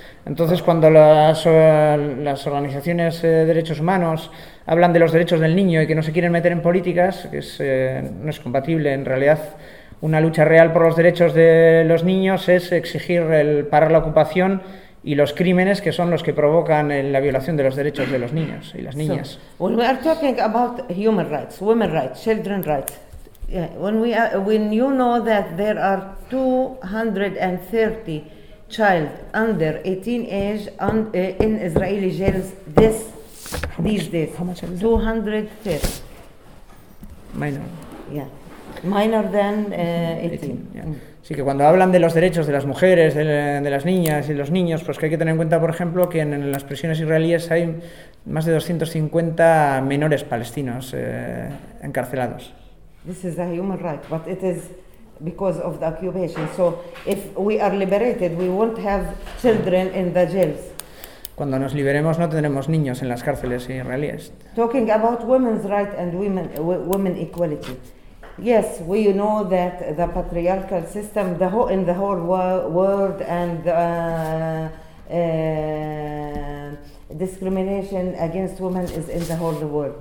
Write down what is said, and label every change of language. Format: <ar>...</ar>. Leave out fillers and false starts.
<es>Entonces, cuando las organizaciones de derechos humanos hablan de los derechos del niño y que no se quieren meter en políticas, es, no es compatible. En realidad, una lucha real por los derechos de los niños es exigir el parar la ocupación y los crímenes que son los que provocan la violación de los derechos de los niños y las niñas.</es> <en>So, when we are talking about human rights, women rights, children rights, when we are, when you know that there are 230 child under 18 age and, in Israeli jails this these days. How much? 230. Minor. Yeah. Minor than 18.</en> <es>Sí, que cuando hablan de los derechos de las mujeres, de las niñas y los niños, pues que hay que tener en cuenta, por ejemplo, que en las prisiones israelíes hay más de 250 menores palestinos encarcelados.</es> <en>This is a human right, but it is because of the occupation. So if we are liberated, we won't have children in the jails.</en> <es>Cuando nos liberemos, no tendremos niños en las cárceles israelíes.</es> <en>Talking about women's right and women equality. Yes, we know that the patriarchal system in the whole world and discrimination against women is in the whole world.</en>